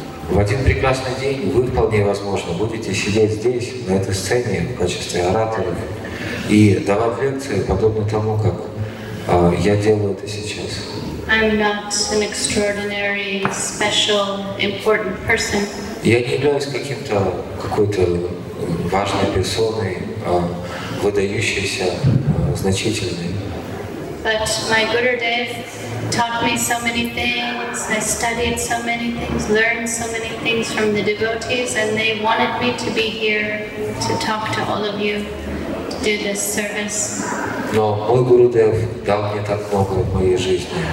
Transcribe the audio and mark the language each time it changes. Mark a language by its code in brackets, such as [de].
[ru] В один прекрасный день вы вполне возможно будете сидеть здесь, на этой сцене, в качестве оратора и давать лекции, подобно тому, как я делаю это сейчас. [en] I'm not an extraordinary, special, important person. [ru] Я не являюсь какой-то важной персоной, выдающейся, значительной. [en] But my Gurudev taught me so many things, I studied so many things, learned so many things from the devotees, and they wanted me to be here to talk to all of you, to do this service. [ru] Но мой Гурудев дал мне так много в моей жизни.